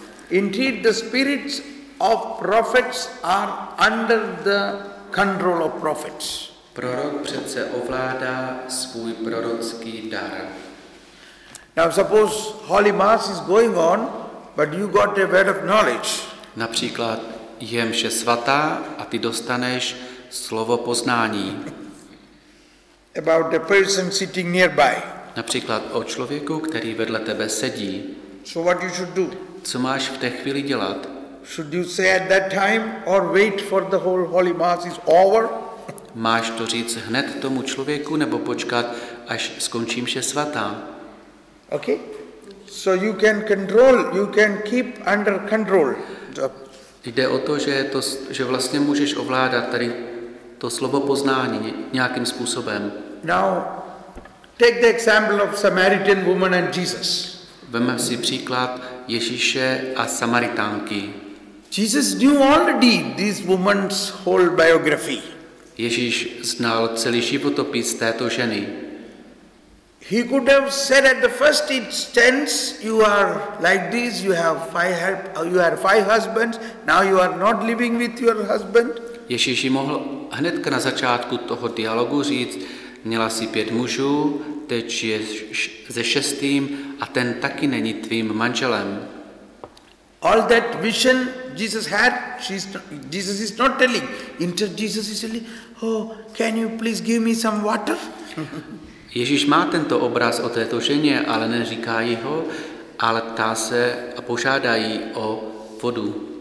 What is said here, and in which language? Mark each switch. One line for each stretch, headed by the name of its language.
English: Indeed, the spirits of prophets are under the control of prophets.
Czech: Prorok přece ovládá svůj prorocký dar.
English: Now suppose Holy Mass is going on, but you got a word of knowledge.
Czech: Například je mše svatá a ty dostaneš slovo poznání.
English: About the person sitting nearby.
Czech: Například o člověku, který vedle tebe sedí.
English: So what you should do?
Czech: Co máš v té chvíli dělat?
English: Should you say at that time or wait for the whole Holy Mass is over?
Czech: Máš to říct hned tomu člověku nebo počkat, až skončí mše svatá?
English: Okay. So you can control, you can keep under control.
Czech: Jde o to, že vlastně můžeš ovládat tady to slovo poznání nějakým způsobem.
English: Now take the example of Samaritan woman and Jesus.
Czech: Vezmeme si příklad Ježíše a Samaritánky.
English: Jesus knew already this woman's whole biography.
Czech: Ježíš znal celý životopis této ženy.
English: He could have said at the first instance, you are like this, you have five husbands, now you are not living with your husband.
Czech: Ježíš mohl hned na začátku toho dialogu říct, měla si pět mužů, teď je se šestým a ten taky není tvým manželem.
English: All that vision Jesus had, Jesus is not telling. Instead, Jesus is telling, oh, can you please give me some water?
Czech: Ježíš má tento obraz o této ženě, ale neříká jí ho, ale ptá se a požádá jí o vodu.